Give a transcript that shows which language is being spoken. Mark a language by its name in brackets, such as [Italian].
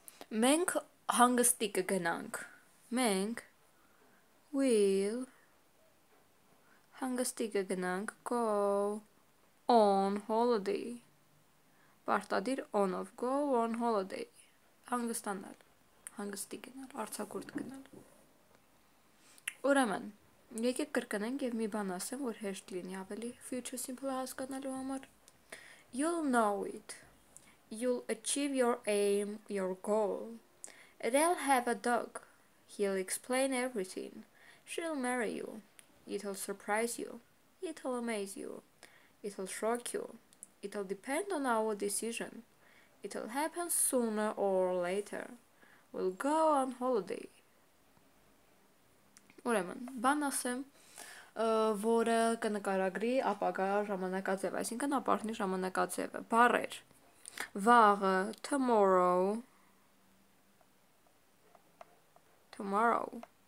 [Armenian] Մենք հանգստի կգնանք, մենք will հանգստի կգնանք, go on holiday, պարտադիր on-ով, go on holiday, հանգստանալ, հանգստի գնալ, արձակուրդ գնալ. Ուրեմն, եկեք կրկնենք և մի բան ասեմ, որ հեշտ լինի ավելի future simple-ը հասկանալու համար. [English] You'll know it, you'll achieve your aim, your goal. They'll have a dog. He'll explain everything. She'll marry you. It'll surprise you. It'll amaze you. It'll shock you. It'll depend on our decision. It'll happen sooner or later. We'll go on holiday. [Armenian] Ուրեմն, բան ասեմ, որը կնկարագրի ապագա ժամանակաձևը, այսինքն ապարտնի ժամանակաձևը, բառեր, վաղը, tomorrow, [English] tomorrow.